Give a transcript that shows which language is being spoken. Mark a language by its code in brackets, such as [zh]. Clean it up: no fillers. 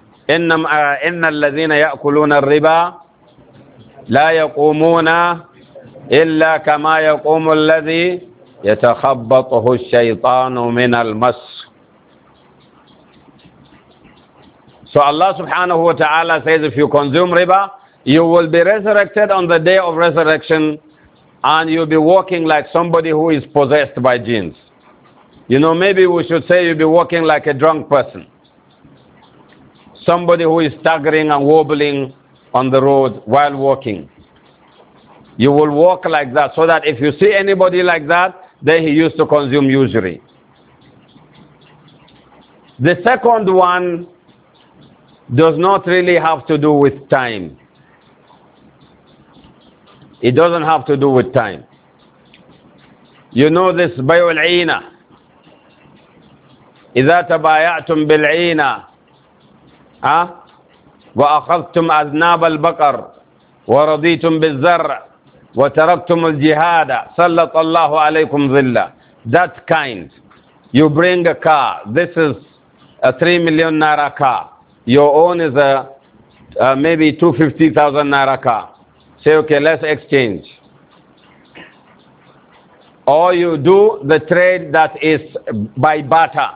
[ar] إن الذين يأكلون الربا لا يقومون إلا كما يقوم الذي يتخبطه الشيطان من المس. [en] So Allah subhanahu wa ta'ala says, if you consume riba, you will be resurrected on the day of resurrection and you'll be walking like somebody who is possessed by jinns. You know, maybe we should say you'll be walking like a drunk person. Somebody who is staggering and wobbling on the road while walking. You will walk like that so that if you see anybody like that, then he used to consume usury. The second one does not really have to do with time. It doesn't have to do with time. You know this بيع العينة. [ar] إذا تبايعتم بالعينة وأخذتم أذناب البقر ورضيتم بالزرع وتركتم الجهاد سلط الله عليكم ظلا. [en] That kind. You bring a car. This is a 3 million naira car. Your own is a maybe 250,000 naira car. Say, okay, let's exchange. Or you do the trade that is by barter.